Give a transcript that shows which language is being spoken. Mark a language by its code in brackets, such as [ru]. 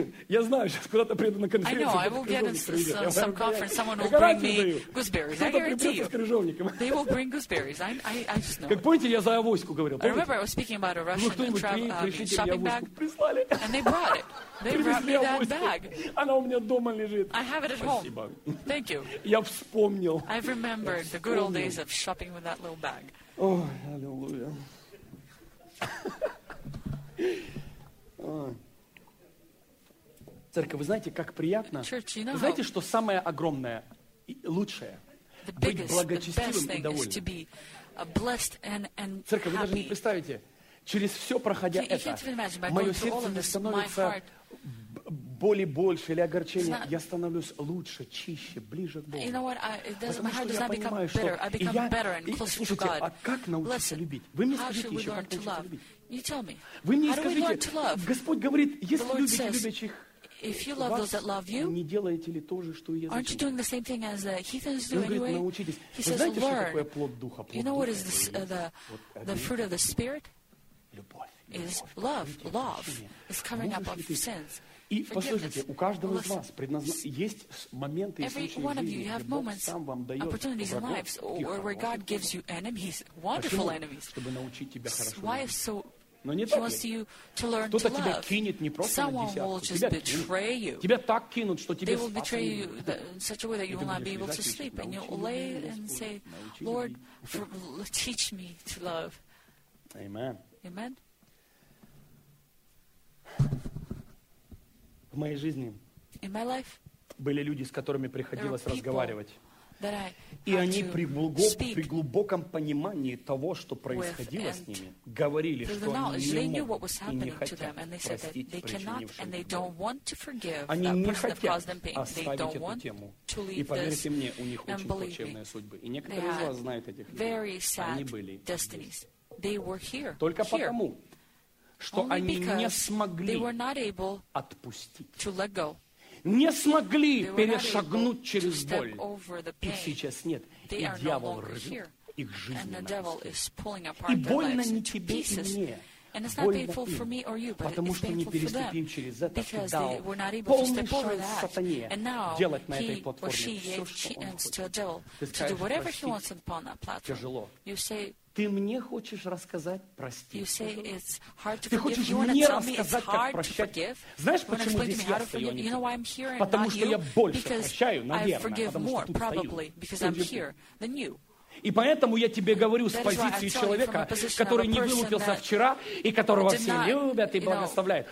[ru] Я знаю, сейчас куда-то приеду на конференцию. [en] I know. I will get in some conference. Someone will bring me gooseberries. I guarantee you. They will bring gooseberries. I just know. [ru] Как помните, я за авоську говорил. [en] I remember I was speaking about a Russian shopping bag. [ru] Прислали. [en] And they brought it. They brought me that bag. [ru] Она у меня дома лежит. [en] I have it at home. Thank you. [ru] Я вспомнил. [en] I remembered the good old days of shopping with that little bag. [ru] Ой, аллилуйя. Церковь, вы знаете, как приятно. [en] Church, you know, [ru] вы знаете, что самое огромное и лучшее? Быть благочестивым и довольным. Церковь, вы даже не представите, через все проходя это, мое сердце не становится боли больше или огорчения, я становлюсь лучше, чище, ближе к Богу. [en] You know what? I become better and closer to God. [ru] Слушайте, а как научиться [en] Listen, [ru] любить? Вы мне скажите еще, как научиться [en] love? [ru] Любить? [en] You tell me. [ru] Вы мне скажите, Господь говорит, если любите любящих вас, [en] you, [ru] не делаете ли то же, что и язычники? [en] Aren't you doing the same thing as the heathens do anyway? [ru] Говорит, научитесь. [en] He says, [ru] знаете, [en] learn. [ru] Что такое плод Духа? Плод [en] you know what is the fruit of the Spirit? Is love, love. It's covering up of sins. [ru] И послушайте, у каждого из вас есть моменты и случаи в жизни, где Бог сам вам дает [en] opportunities [ru] врагов, [en] in lives, or where God gives you enemies, wonderful enemies. [ru] Чтобы научить тебя хорошо. [en] Why is so? [ru] Но не так ли? Кто-то тебя кинет не просто на десятку. Тебя так кинут, что тебе спать не будет. [en] They will betray you in such a way that you will not be able to sleep, and you'll lay and say, Lord, teach me to love. Amen. Amen. [ru] В моей жизни были люди, с которыми приходилось разговаривать. И они при глубоком понимании того, что происходило с ними, говорили, что они не могут и не хотят простить причинившую боль. Они не хотят оставить эту тему. И поверьте мне, у них очень плачевные судьбы. И некоторые из вас знают этих людей. Они были здесь. Только потому, что они не смогли отпустить. Не смогли перешагнуть через боль. И сейчас нет. И дьявол рвет их жизни на куски. И больно не тебе и мне. [en] And it's not painful for me or you, but it's painful for them. Because they were not able to step over that. And now he or she gave chance to the devil to do whatever he wants upon that platform. You say, [ru] ты мне хочешь рассказать прости? [en] You say it's hard to [ru] ты хочешь мне рассказать, как прощать? Знаешь, почему здесь я стою? [en] You know why I'm here and [ru] потому [en] not you? [ru] Что я больше прощаю, наверное, потому [en] more, [ru] что тут стою. [en] I'm here than you. [ru] И поэтому я тебе говорю с позиции человека, который не вылупился вчера и которого все любят и благословляют.